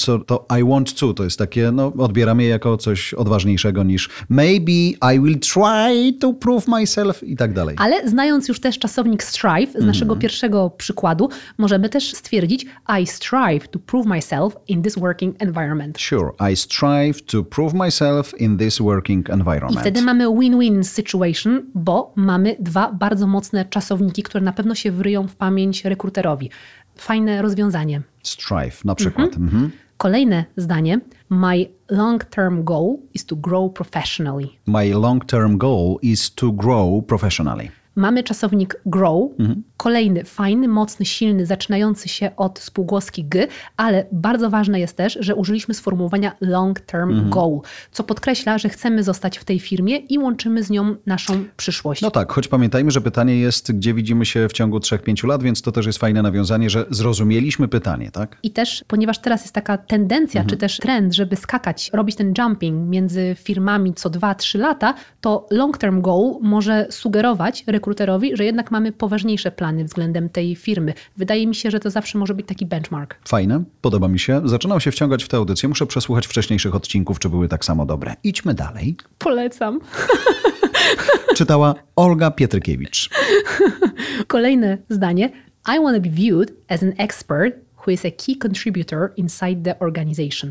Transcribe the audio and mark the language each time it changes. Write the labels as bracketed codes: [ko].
[en] So [pl] to [en] I want to [pl] jest takie, no odbieram je jako coś odważniejszego niż [en] maybe I will try to prove myself [pl] i tak dalej. Ale znając już też czasownik strive z naszego pierwszego przykładu, możemy też stwierdzić [en] I strive to prove myself in this working environment. Sure, I strive to prove myself in this working environment. [pl] I wtedy mamy win-win situation, bo mamy dwa bardzo mocne czasowniki, które na pewno się wryją w pamięć rekruterowi. Fajne rozwiązanie. Strive na przykład. Kolejne zdanie. [en] My long-term goal is to grow professionally. My long-term goal is to grow professionally. [pl] Mamy czasownik grow. Kolejny, fajny, mocny, silny, zaczynający się od spółgłoski g, ale bardzo ważne jest też, że użyliśmy sformułowania long-term goal, co podkreśla, że chcemy zostać w tej firmie i łączymy z nią naszą przyszłość. No tak, choć pamiętajmy, że pytanie jest, gdzie widzimy się w ciągu 3-5 lat, więc to też jest fajne nawiązanie, że zrozumieliśmy pytanie, tak? I też, ponieważ teraz jest taka tendencja, czy też trend, żeby skakać, robić ten jumping między firmami co 2-3 lata, to long-term goal może sugerować rekruterowi, że jednak mamy poważniejsze plany względem tej firmy. Wydaje mi się, że to zawsze może być taki benchmark. Fajne, podoba mi się. Zaczynam się wciągać w tę audycję. Muszę przesłuchać wcześniejszych odcinków, czy były tak samo dobre. Idźmy dalej. Polecam. Czytała Olga Pietrykiewicz. Kolejne zdanie. [en] I want to be viewed as an expert who is a key contributor inside the organization.